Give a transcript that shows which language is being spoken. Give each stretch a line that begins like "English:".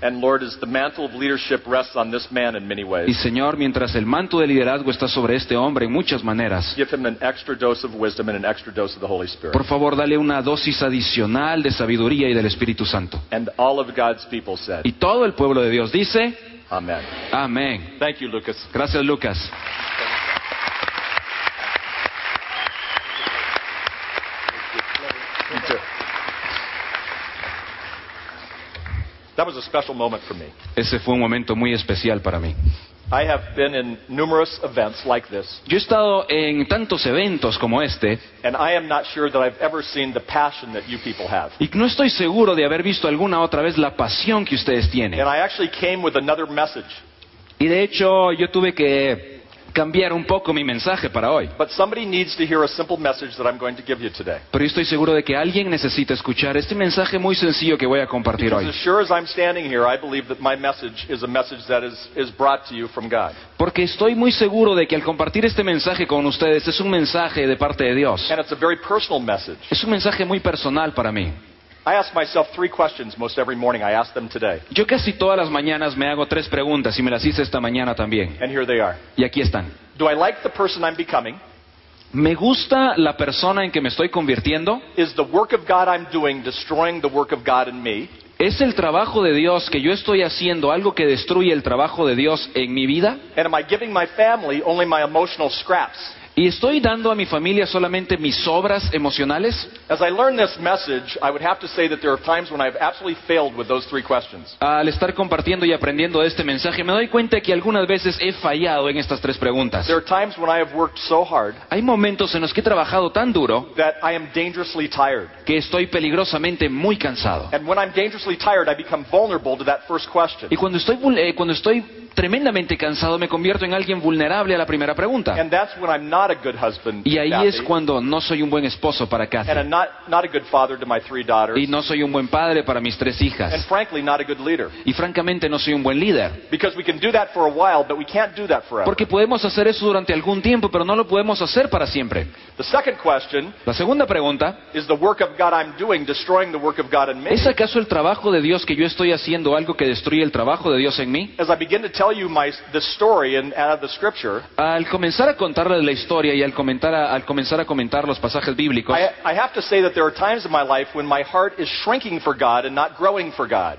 English: And Lord, as the mantle of leadership rests on this man in many ways.
Spanish: Y Señor, mientras el manto de liderazgo está sobre este hombre en muchas maneras.
English: Give him an extra dose of wisdom and an extra dose of the Holy Spirit.
Spanish: Por favor, dale una dosis adicional de sabiduría y del Espíritu Santo.
English: And all of God's people said.
Spanish: Y todo el pueblo de Dios dice. Amen. Amen.
English: Thank you, Lucas.
Spanish: Gracias, Lucas.
English: That was a special moment for me.
Spanish: Ese fue un momento muy especial para mí.
English: I have been in numerous events like this.
Spanish: Yo he estado en tantos eventos como este.
English: And I am not sure that I've ever seen the passion that you people have.
Spanish: Y no estoy seguro de haber visto alguna otra vez la pasión que ustedes tienen.
English: And I actually came with another message.
Spanish: Y de hecho, yo tuve que cambiar un poco mi mensaje para hoy.
English: But somebody needs to hear a simple message that I'm going to give you today.
Spanish: Pero estoy seguro de que alguien necesita escuchar este mensaje muy sencillo que voy a compartir hoy.
English: Because as sure as I'm standing here, I believe that my message is a message that is brought to you from God.
Spanish: Porque estoy muy seguro de que al compartir este mensaje con ustedes es un mensaje de parte de Dios.
English: And it's a very personal message.
Spanish: Es un mensaje muy personal para mí.
English: I ask myself 3 questions most every morning. I ask them today.
Spanish: Yo casi todas las mañanas me hago 3 preguntas y me las hice esta mañana también.
English: And here they are.
Spanish: Y aquí están.
English: Do I like the person I'm becoming?
Spanish: ¿Me gusta la persona en que me estoy convirtiendo?
English: Is the work of God I'm doing destroying the work of God in me?
Spanish: ¿Es el trabajo de Dios que yo estoy haciendo algo que destruye el trabajo de Dios en mi vida?
English: And am I giving my family only my emotional scraps?
Spanish: ¿Y estoy dando a mi familia solamente mis sobras emocionales?
English: As I learn this message, I would have to say that there are times when I have absolutely failed with those 3 questions.
Spanish: Al estar compartiendo y aprendiendo este mensaje, me doy cuenta que algunas veces he fallado en estas 3 preguntas.
English: There are times when I have worked so hard.
Spanish: Hay momentos en los que he trabajado tan duro
English: that I am dangerously tired.
Spanish: Que estoy peligrosamente muy cansado.
English: And when I'm dangerously tired, I become vulnerable to that first question.
Spanish: Y cuando estoy tremendamente cansado, me convierto en alguien vulnerable a la primera pregunta.
English: And that's when I'm not a good husband
Spanish: y ahí es cuando no soy un buen esposo para Kathy.
English: And I'm not a good father to my three daughters.
Spanish: Y no soy un buen padre para mis tres hijas.
English: And frankly, not a good leader.
Spanish: Y francamente, no soy un buen líder.
English: Because we can do that for a while, but we can't do that forever.
Spanish: Porque podemos hacer eso durante algún tiempo, pero no lo podemos hacer para siempre.
English: The second question,
Spanish: la segunda pregunta,
English: is the work of God I'm doing destroying the work of God in me?
Spanish: ¿Es acaso el trabajo de Dios que yo estoy haciendo algo que destruye el trabajo de Dios en mí?
English: As I begin to tell you the story and out of the scripture,
Spanish: al comenzar a contarles la historia y al comenzar a comentar los pasajes bíblicos,
English: I have to say that there are times in my life when my heart is shrinking for God and not growing for God.